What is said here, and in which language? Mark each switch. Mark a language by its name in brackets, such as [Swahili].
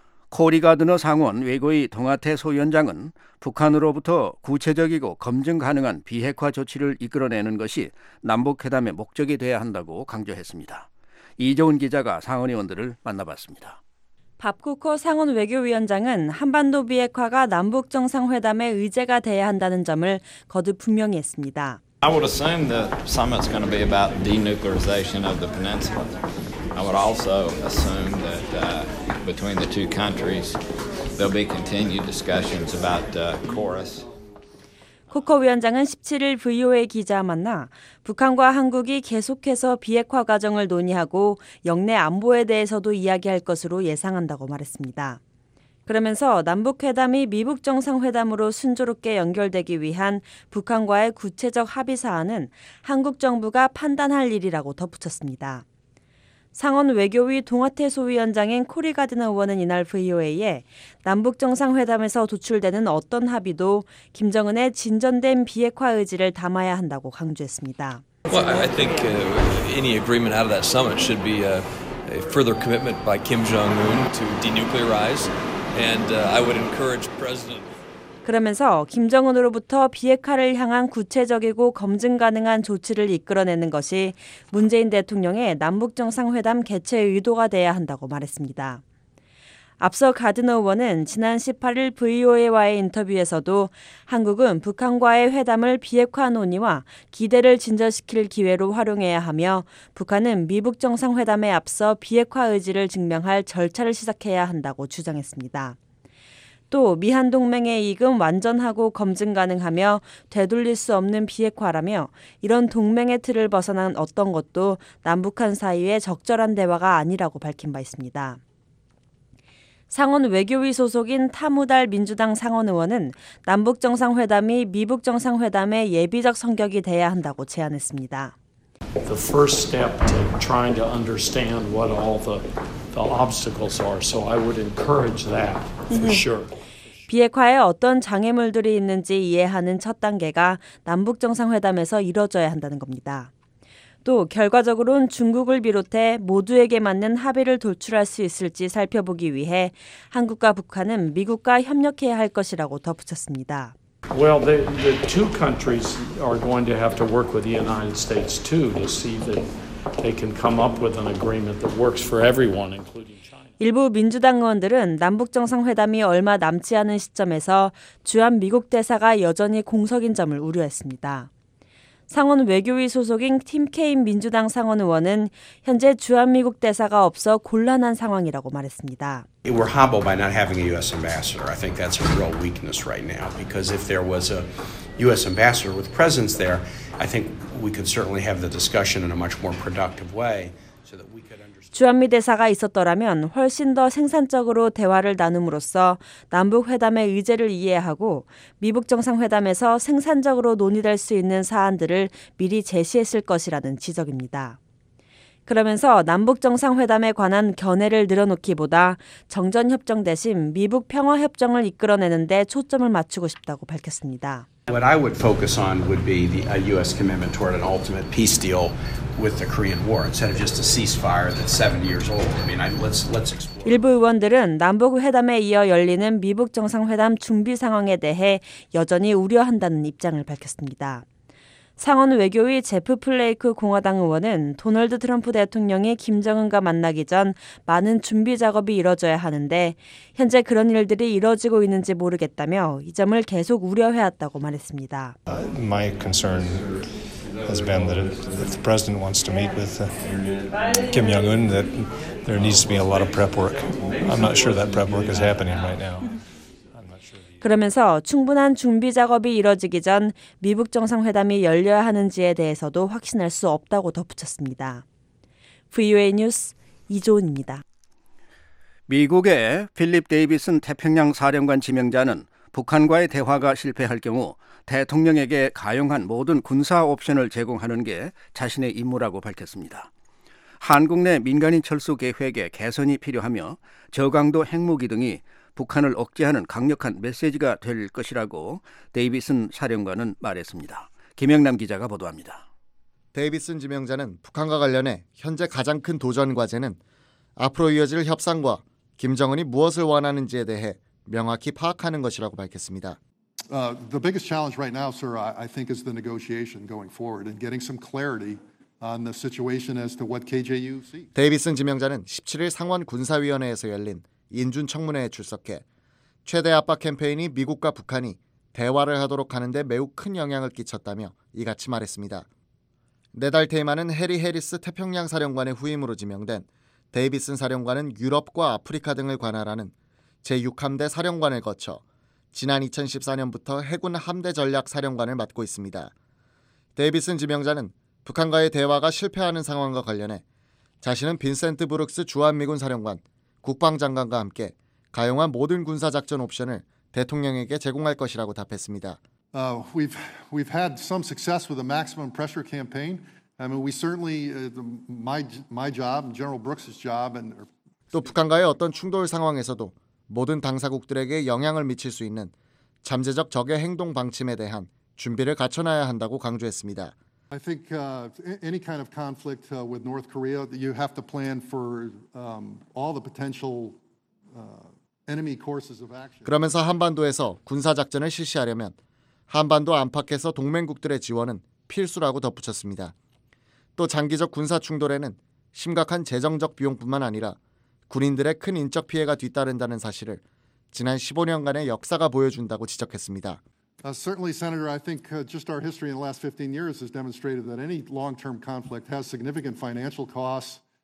[Korean] 코리 가드너 상원 외교위 동아태 소위원장은 북한으로부터 구체적이고 검증 가능한 비핵화 조치를 이끌어내는 것이 남북회담의 목적이 돼야 한다고 강조했습니다. 이종훈 기자가 상원 의원들을 만나봤습니다. 밥쿠커 상원 외교위원장은 한반도 비핵화가 남북정상회담의 의제가 돼야 한다는 점을 거듭 분명히 했습니다. [English] I would assume the summit's going to be about denuclearization of the peninsula. I would also assume that between the two countries there'll be continued discussions about CORUS. [Korean] 코커 위원장은 17일 VOA 기자와 만나 북한과 한국이 계속해서 비핵화 과정을 논의하고 영내 안보에 대해서도 이야기할 것으로 예상한다고 말했습니다. 그러면서 남북회담이 미북 정상회담으로 순조롭게 연결되기 위한 북한과의 구체적 합의 사안은 한국 정부가 판단할 일이라고 덧붙였습니다. 상원 외교위 동아태 소위원장인 코리 가드너 의원은 이날 VOA에 남북 정상회담에서 도출되는 어떤 합의도 김정은의 진전된 비핵화 의지를 담아야 한다고 강조했습니다. [English] Well, I think any agreement out of that summit should be a further commitment by Kim Jong-un to denuclearize. And I would encourage President. [Korean] 그러면서 김정은으로부터 비핵화를 향한 구체적이고 검증 가능한 조치를 이끌어내는 것이 문재인 대통령의 남북정상회담 개최 의도가 돼야 한다고 말했습니다. 앞서 가드너 의원은 지난 18일 VOA와의 인터뷰에서도 한국은 북한과의 회담을 비핵화 논의와 기대를 진전시킬 기회로 활용해야 하며 북한은 미북 정상회담에 앞서 비핵화 의지를 증명할 절차를 시작해야 한다고 주장했습니다. 또 미한동맹의 이익은 완전하고 검증 가능하며 되돌릴 수 없는 비핵화라며 이런 동맹의 틀을 벗어난 어떤 것도 남북한 사이의 적절한 대화가 아니라고 밝힌 바 있습니다. 상원 외교위 소속인 타무달 민주당 상원 의원은 남북정상회담이 미북정상회담의 예비적 성격이 돼야 한다고 제안했습니다. [English] The first step to trying to understand what all the obstacles are, so I would encourage that for sure. [Korean] 비핵화에 어떤 장애물들이 있는지 이해하는 첫 단계가 남북정상회담에서 이뤄져야 한다는 겁니다. 또 결과적으로는 중국을 비롯해 모두에게 맞는 합의를 도출할 수 있을지 살펴보기 위해 한국과 북한은 미국과 협력해야 할 것이라고 덧붙였습니다. [English] Well, the two countries are going to have to work with the United States too to see that they can come up with an agreement that works for everyone, including China. [Korean] 일부 민주당 의원들은 남북정상회담이 얼마 남지 않은 시점에서 주한 미국 대사가 여전히 공석인 점을 우려했습니다. 상원 외교위 소속인 팀 케인 민주당 상원 의원은 현재 주한미국 대사가 없어 곤란한 상황이라고 말했습니다. [English] We're humbled by not having a U.S. ambassador. I think that's a real weakness right now. Because if there was a U.S. ambassador with presence there, I think we could certainly have the discussion in a much more productive way. [Korean] 주한미 대사가 있었더라면 훨씬 더 생산적으로 대화를 나눔으로써 남북회담의 의제를 이해하고 미북 정상회담에서 생산적으로 논의될 수 있는 사안들을 미리 제시했을 것이라는 지적입니다. 그러면서 남북 정상회담에 관한 견해를 늘어놓기보다 정전협정 대신 미북 평화협정을 이끌어내는 데 초점을 맞추고 싶다고 밝혔습니다. [English] What I would focus on would be the U.S. commitment toward an ultimate peace deal with the Korean War instead of just a ceasefire that's 70 years old. I mean, let's explore. [Korean] 일부 의원들은 남북 회담에 이어 열리는 미북 정상회담 준비 상황에 대해 여전히 우려한다는 입장을 밝혔습니다. 상원 외교위 제프 플레이크 공화당 의원은 도널드 트럼프 대통령이 김정은과 만나기 전 많은 준비 작업이 이뤄져야 하는데 현재 그런 일들이 이뤄지고 있는지 모르겠다며 이 점을 계속 우려해왔다고 말했습니다. [English] My concern has been that if the president wants to meet with Kim Jong-un, that there needs to be a lot of prep work. I'm not sure that prep work is happening right now. [Korean] 그러면서 충분한 준비 작업이 이뤄지기 전 미북 정상회담이 열려야 하는지에 대해서도 확신할 수 없다고 덧붙였습니다. VOA 뉴스 이조은입니다. 미국의 필립 데이비슨 태평양 사령관 지명자는 북한과의 대화가 실패할 경우 대통령에게 가용한 모든 군사 옵션을 제공하는 게 자신의 임무라고 밝혔습니다. 한국 내 민간인 철수 계획에 개선이 필요하며 저강도 핵무기 등이 북한을 억제하는 강력한 메시지가 될 것이라고 데이비슨 사령관은 말했습니다. 김영남 기자가 보도합니다. 데이비슨 지명자는 북한과 관련해 현재 가장 큰 도전 과제는 앞으로 이어질 협상과 김정은이 무엇을 원하는지에 대해 명확히 파악하는 것이라고 밝혔습니다. [English] The biggest challenge right now, sir, I think is the negotiation going forward and getting some clarity on the situation as to what KJU sees. [Korean] 데이비슨 지명자는 17일 상원 군사위원회에서 열린 인준 청문회에 출석해 최대 압박 캠페인이 미국과 북한이 대화를 하도록 하는 데 매우 큰 영향을 끼쳤다며 이같이 말했습니다. 네달 테이마는 해리 해리스 태평양 사령관의 후임으로 지명된 데이비슨 사령관은 유럽과 아프리카 등을 관할하는 제6함대 사령관을 거쳐 지난 2014년부터 해군 함대 전략 사령관을 맡고 있습니다. 데이비슨 지명자는 북한과의 대화가 실패하는 상황과 관련해 자신은 빈센트 브룩스 주한미군 사령관, 국방장관과 함께 가용한 모든 군사 작전 옵션을 대통령에게 제공할 것이라고 답했습니다. [English] We've had some success with the maximum pressure campaign. I mean, we certainly my job, General Brooks's job, and [Korean] 또 북한과의 어떤 충돌 상황에서도 모든 당사국들에게 영향을 미칠 수 있는 잠재적 적의 행동 방침에 대한 준비를 갖춰놔야 한다고 강조했습니다. [English] I think any kind of conflict with North Korea, you have to plan for all the potential enemy courses of action. [Korean] 그러면서 한반도에서 군사 작전을 실시하려면 한반도 안팎에서 동맹국들의 지원은 필수라고 덧붙였습니다. 또 장기적 군사 충돌에는 심각한 재정적 비용뿐만 아니라 군인들의 큰 인적 피해가 뒤따른다는 사실을 지난 15년간의 역사가 보여준다고 지적했습니다. [English] Certainly, Senator, I think just our history in the last 15 years has demonstrated that any long-term conflict has significant financial costs.